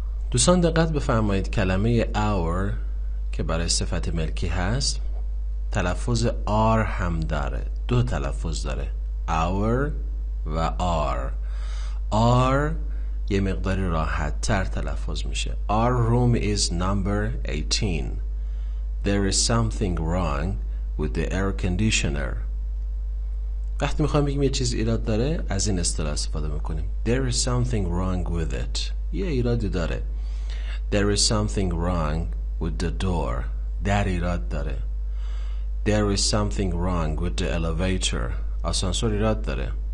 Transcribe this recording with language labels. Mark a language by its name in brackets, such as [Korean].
[Persian] دوستان دقت بفرمایید، کلمه our که برای صفت ملکی هست تلفظ r هم داره، دو تلفظ داره، our و r. r یه مقداری راحت تر تلفظ میشه. [English] Our room is number 18. There is something wrong with the air conditioner. [Persian] وقتی میخوایم بگیم یه چیز ایراد داره از این اصطلاح استفاده میکنیم. [English] There is something wrong with it. [Persian] یه ایرادی داره. [English] There is something wrong with the door. [Persian] در ایراد داره. [English] There is something wrong with the elevator. [Persian] آسانسور ایراد داره.